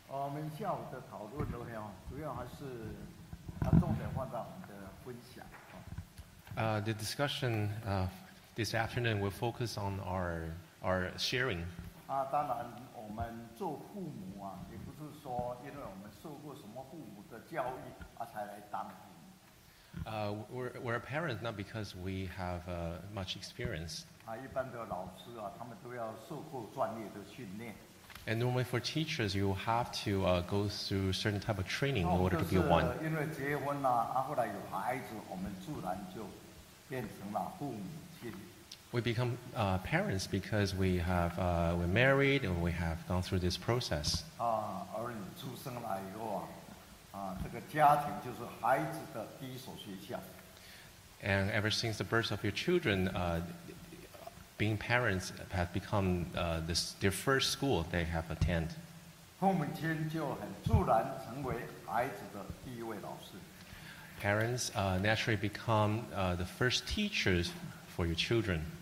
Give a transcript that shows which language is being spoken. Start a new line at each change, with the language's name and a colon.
Chinese: 们下午的讨论里面，主要还是要重点放到我们的分享。
English: The discussion this afternoon will focus on our sharing.
Chinese: 啊，当然，我们做父母啊，也不是说因为我们受过什么父母的教育啊，才来当。
English: We're a parent not because we have much experience.
Chinese: 啊，一般的老师啊，他们都要受过专业的训练。
English: And normally for teachers, you have to go through certain type of training in order to be one.
Chinese: 因为结婚了，啊，后来有孩子，我们自然就变成了父母亲。
English: We become parents because we have we're married and we have gone through this process.
Chinese: 啊，儿女出生来以后啊，啊，这个家庭就是孩子的第一所学校。
English: And ever since the birth of your children, being parents has become their first school they have attended. Parents naturally become the first teachers for your children.